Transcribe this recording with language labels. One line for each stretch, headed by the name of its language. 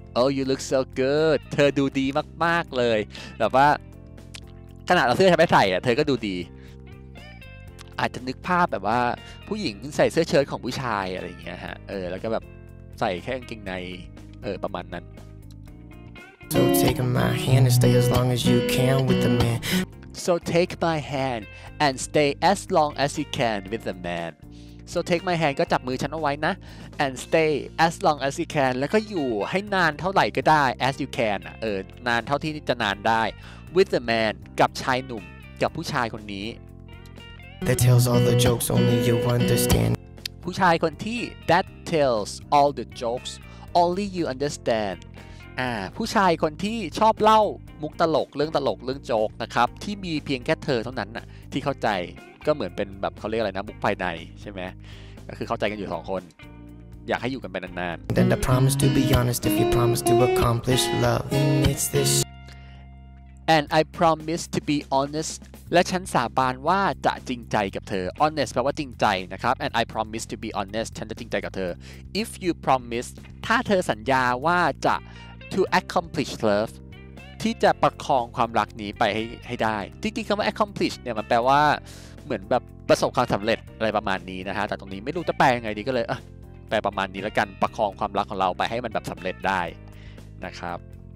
English: oh you look so good
Thai: เธอดูดีมากๆเลยแบบว่าขนาดเอาเสื้อฉันไปใส่อ่ะเธอก็ดูดีอาจจะนึกภาพแบบว่าผู้หญิงใส่เสื้อเชิ้ตของผู้ชายอะไรอย่างเงี้ยฮะแล้วก็แบบใส่แค่กางเกงในประมาณนั้น
English: So take my hand and stay as long as you can with the man So take my hand and stay as long as you can with the man So take my hand
Thai: ก็จับมือฉันเอาไว้นะ
English: and stay as long as you can
Thai: แล้วก็อยู่ให้นานเท่าไหร่ก็ได้
English: as you can
Thai: นานเท่าที่จะนานได้
English: with the man
Thai: กับชายหนุ่มกับผู้ชายคนนี้
English: That tells all the jokes only you understand.
Thai: ผู้ชายคนที่
English: That tells all the jokes only you understand.
Thai: ผู้ชายคนที่ชอบเล่ามุกตลกเรื่องตลกเรื่องโจ๊กนะครับที่มีเพียงแค่เธอเท่านั้นน่ะที่เข้าใจก็เหมือนเป็นแบบเขาเรียกอะไรนะมุกภายในใช่ไหมก็คือเข้าใจกันอยู่2คนอยากให้อยู่กันไปนาน
English: ๆ Then I promise to be honest if you promise to accomplish love. And it's this And I promise to be honest
Thai: และฉันสาบานว่าจะจริงใจกับเธอ honest แปลว่าจริงใจนะครับ
English: and I promise to be honest
Thai: ฉันจะจริงใจกับเธอ
English: if you promise
Thai: ถ้าเธอสัญญาว่าจะ
English: to accomplish love
Thai: ที่จะประคองความรักนี้ไปให้ได้จริงๆคำว่า accomplish เนี่ยมันแปลว่าเหมือนแบบประสบความสำเร็จอะไรประมาณนี้นะฮะแต่ตรงนี้ไม่รู้จะแปลยังไงดีก็เลยแปลประมาณนี้แล้วกันประคองความรักของเราไปให้มันแบบสำเร็จได้นะครับ